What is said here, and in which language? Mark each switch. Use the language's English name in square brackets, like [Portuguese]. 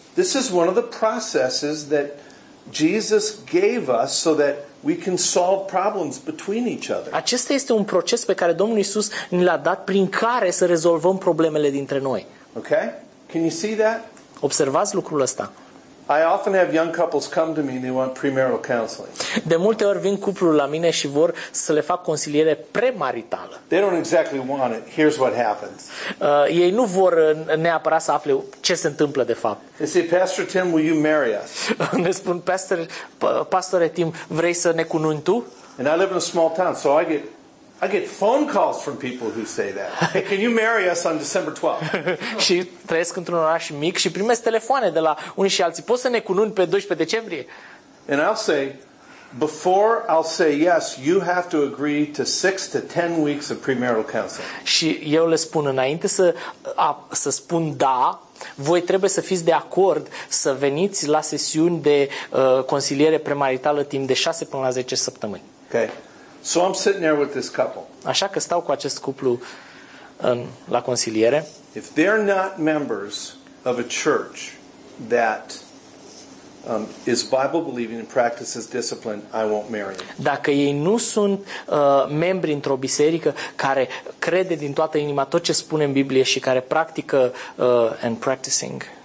[English] This is one of the processes that Jesus gave us so that we can solve problems between each other. [Romanian] Acesta este un proces pe care Domnul Iisus ni l-a dat prin care să rezolvăm problemele dintre noi. [English] Okay? Can you see that? [Romanian] Observați lucrul ăsta. [English] I often have young couples come to me and they want premarital counseling. [Romanian] De multe ori vin cupluri la mine și vor să le fac consiliere premaritală. [English] They don't exactly want it. Here's what happens. [Romanian] Ei nu vor neapărat să afle ce se întâmplă de fapt. [English] They say, Pastor Tim, will you marry us? [Romanian] Ne spun, Pastore Tim, vrei să ne cununi tu? [English] And I live in a small town, so I get phone calls from people who say that. Hey, can you marry us on December 12th? [Romanian] Și trăiesc într-un oraș mic și primesc telefoane de la unii și alții. Poți să ne cununi pe 12 decembrie? [English] And I'll say, before I'll say yes, you have to agree to 6 to 10 weeks of premarital counseling. [Romanian] Și eu le spun înainte să spun da, voi trebuie să fiți de acord să veniți la sesiuni de consiliere premaritală timp de 6 până la 10 săptămâni. [English] Okay. So I'm sitting there with this couple. [Romanian] Așa că stau cu acest cuplu la consiliere. [English] If they're not members of a church that is Bible believing and practices discipline, I won't marry them. [Romanian] Dacă ei nu sunt membri într-o biserică care crede din toată inima tot ce spune în Biblie și care practică [English] and practicing.